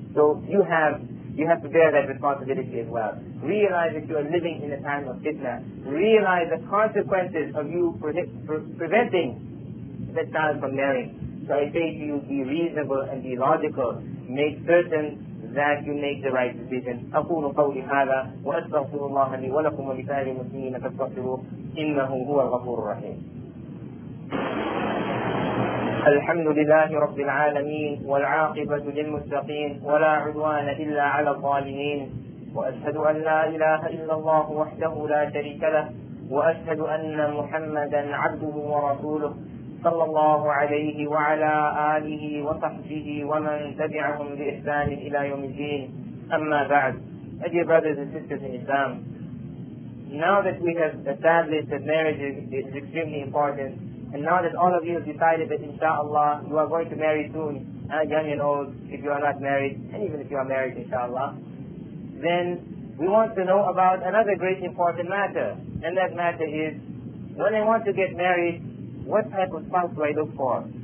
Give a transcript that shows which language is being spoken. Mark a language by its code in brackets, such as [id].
[en] So you have to bear that responsibility as well. Realize that you are living in a time of fitna. Realize the consequences of you preventing that child from marrying. So I say to you, be reasonable and be logical. Make certain that you make the right decision. [ar] أقول قولي هذا وأستغفر الله لي ولكم ولسائر المسلمين فاستغفروه إنه هو الغفور الرحيم. الحمد لله رب العالمين والعاقبة للمتقين ولا عدوان إلا على الظالمين وأشهد أن لا إله إلا الله وحده لا شريك له وأشهد أن محمدا عبده ورسوله صلى الله عليه وعلى آله وصحبه ومن تبعهم بإحسان إلى يوم الدين. أما بعد, [en] dear brothers and sisters in Islam, now that we have established that marriage is extremely important, and now that all of you have decided that inshallah you are going to marry soon, young and old, if you are not married, and even if you are married inshallah, then we want to know about another great important matter, and that matter is, when I want to get married, what type of spouse do I look for?